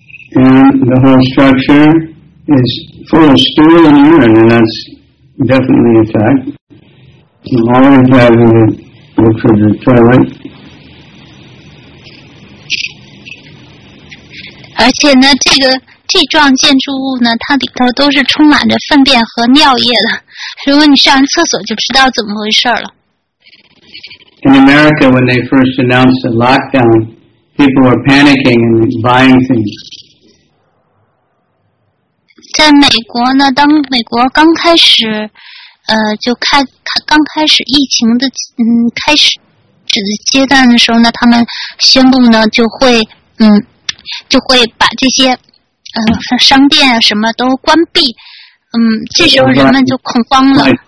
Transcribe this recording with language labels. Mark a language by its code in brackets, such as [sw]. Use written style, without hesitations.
[en] and the whole structure is full of stool and urine, and that's definitely a fact. And all we have is look for the toilet. [zh] 而且呢，这个这幢建筑物呢，它里头都是充满着粪便和尿液的。如果你上厕所，就知道怎么回事了。 [en] In America, when they first announced the lockdown, people were panicking and buying things. [zh] 在美国呢，当美国刚开始，就开刚开始疫情的开始阶段的时候呢，他们宣布呢就会就会把这些商店啊什么都关闭，这时候人们就恐慌了。